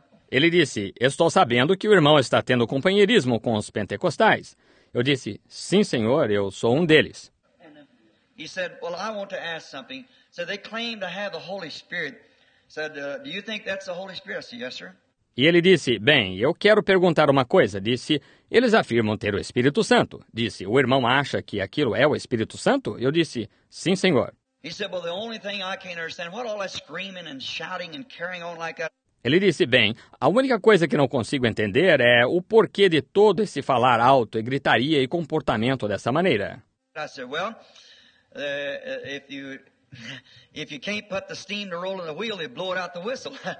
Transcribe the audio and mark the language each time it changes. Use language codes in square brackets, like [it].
[pt] Ele disse, estou sabendo que o irmão está tendo companheirismo com os pentecostais. Eu disse, sim, senhor, eu sou um deles. [en] He said, well, I want to ask something. So they claim to have the Holy Spirit. Said, do you think that's the Holy Spirit? I said, yes, sir. [pt] E ele disse, bem, eu quero perguntar uma coisa. Disse, eles afirmam ter o Espírito Santo. Disse, o irmão acha que aquilo é o Espírito Santo? Eu disse, sim, senhor. [en] He said, well, the only thing I can't understand, what all that screaming and shouting and carrying on like that? [pt] Ele disse, bem, a única coisa que não consigo entender é o porquê de todo esse falar alto e gritaria e comportamento dessa maneira. [en] I said, well, if you can't put the steam to roll in the wheel, it blow it out the whistle.